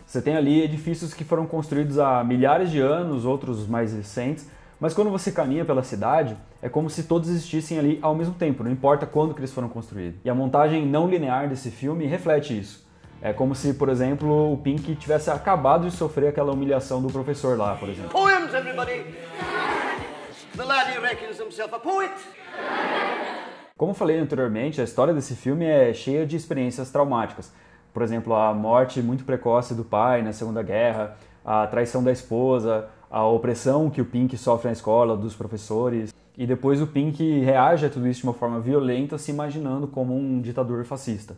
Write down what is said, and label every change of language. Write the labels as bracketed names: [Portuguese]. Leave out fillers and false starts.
[Portuguese] Você tem ali edifícios que foram construídos há milhares de anos, outros mais recentes, mas quando você caminha pela cidade, é como se todos existissem ali ao mesmo tempo, não importa quando que eles foram construídos. E a montagem não linear desse filme reflete isso. É como se, por exemplo, o Pink tivesse acabado de sofrer aquela humilhação do professor lá, por exemplo. [English] Poems, everybody! The lad who reckons himself a poet! [Portuguese] Como falei anteriormente, a história desse filme é cheia de experiências traumáticas. Por exemplo, a morte muito precoce do pai na Segunda Guerra, a traição da esposa, a opressão que o Pink sofre na escola, dos professores. E depois o Pink reage a tudo isso de uma forma violenta, se imaginando como um ditador fascista.